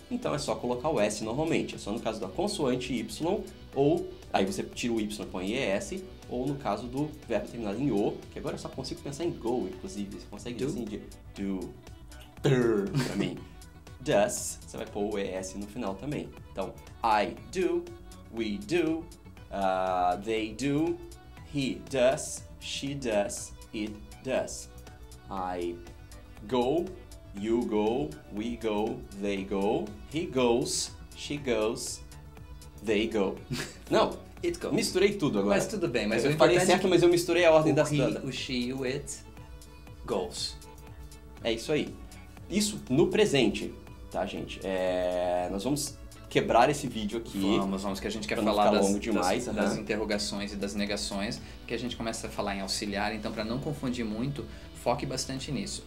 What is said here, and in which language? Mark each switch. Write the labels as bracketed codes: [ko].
[pt] Então, é só colocar o S normalmente, é só no caso da consoante Y, ou, aí você tira o Y e põe IES, ou no caso do verbo terminado em O, que agora eu só consigo pensar em go, inclusive. Você consegue do? Assim de do, der, pra mim. Does, você vai pôr o ES no final também. [en] Então, I do, we do, they do, he does, she does, it does. I go, you go, we go, they go, he goes, she goes, they go. [pt] Não! [en] It goes. [pt] Misturei tudo agora. Mas tudo bem, mas eu falei certo, mas eu misturei a ordem das coisas. [en] O she, o it, goes. [pt] É isso aí. Isso no presente, tá, gente? Nós vamos quebrar esse vídeo aqui. Vamos, que a gente quer falar das interrogações e das negações, que a gente começa a falar em auxiliar, então para não confundir muito, foque bastante nisso.